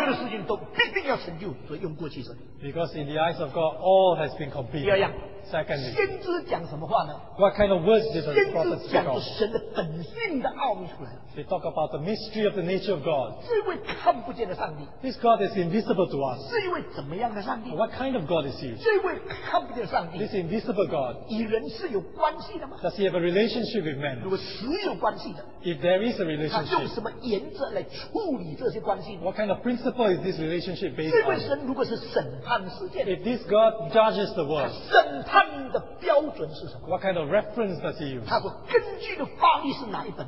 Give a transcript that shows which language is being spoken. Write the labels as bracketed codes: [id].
[zh] 在神眼中他的计划里面,所有的事情都必定要成就,所以用过去式。 [en] Because in the eyes of God, all has been completed. [zh] 第二样, [en] secondly, [zh] 先知讲什么话呢? [en] What kind of words did the prophet speak of? [zh] 先知讲神的本性的奥秘出来。 [en] They talk about the mystery of the nature of God. [zh] 这位看不见的上帝, [en] this God is invisible to us. [zh] 这位怎么样的上帝? [en] What kind of God is he? [zh] 这位看不见的上帝, [en] this invisible God, [zh] 与人是有关系的吗? [en] Does he have a relationship with man? [zh] 如果是有关系的, [en] if there is a relationship, [zh] 他用什么原则来处理这些关系呢? [en] What kind of principle is this relationship based [zh] 这位神如果是审, [en] on? If this God judges the world, [zh] 他审判的标准是什么? [en] What kind of reference does he use? [zh] 他说根据的法律是哪一本?